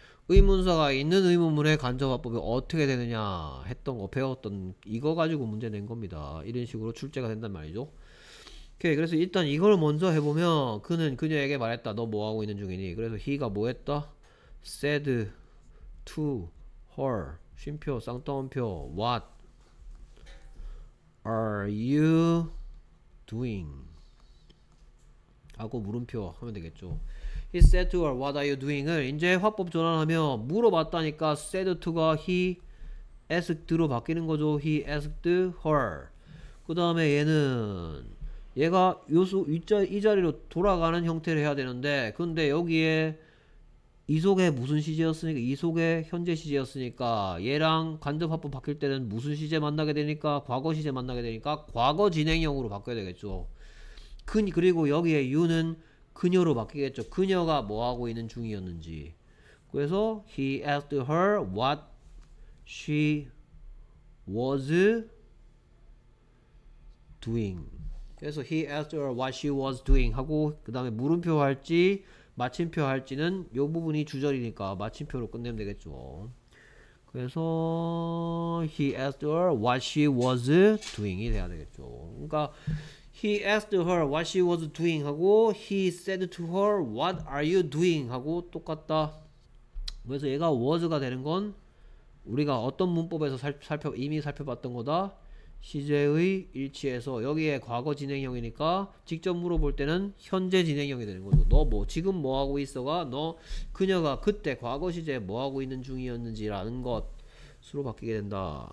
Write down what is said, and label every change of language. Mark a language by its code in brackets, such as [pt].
[ko] 의문사가 있는 의문문의 간접화법이 어떻게 되느냐 했던 거 배웠던 이거 가지고 문제 낸 겁니다. 이런 식으로 출제가 된단 말이죠. 오케이, 그래서 일단 이걸 먼저 해보면, 그는 그녀에게 말했다. 너뭐 하고 있는 중이니? 그래서 he가 뭐 했다? [en] said to her [ko] 쉼표 쌍따옴표 [en] what are you doing? [ko] 하고 물음표 하면 되겠죠. [en] He said to her, "What are you doing? [ko] "을 이제 화법 전환하며 물어봤다니까 [en] said to가 he asked [ko] 로 바뀌는 거죠. [en] He asked her. [ko] 그 다음에 얘는 얘가 요소 이 자리로 돌아가는 형태를 해야 되는데, 근데 여기에 이속에 무슨 시제였으니까, 이속에 현재 시제였으니까, 얘랑 간접화법 바뀔 때는 무슨 시제 만나게 되니까 과거 시제 만나게 되니까 과거 진행형으로 바뀌어야 되겠죠. 그리고 여기에 you는 그녀로 바뀌겠죠. 그녀가 뭐 하고 있는 중이었는지. 그래서 [en] he asked her what she was doing. [ko] 그래서 [en] he asked her what she was doing [ko] 하고, 그 다음에 물음표 할지 마침표 할지는 요 부분이 주절이니까 마침표로 끝내면 되겠죠. 그래서 [en] he asked her what she was doing [ko] 이 돼야 되겠죠. 그러니까 [en] He asked her what she was doing 하고 He said to her what are you doing [ko] 하고 똑같다. 그래서 얘가 was가 되는 건 우리가 어떤 문법에서 이미 살펴봤던 거다. 시제의 일치에서 여기에 과거 진행형이니까 직접 물어볼 때는 현재 진행형이 되는 거죠. 너뭐 지금 뭐 하고 있어가 너 그녀가 그때 과거 시제에 뭐 하고 있는 중이었는지라는 것으로 바뀌게 된다.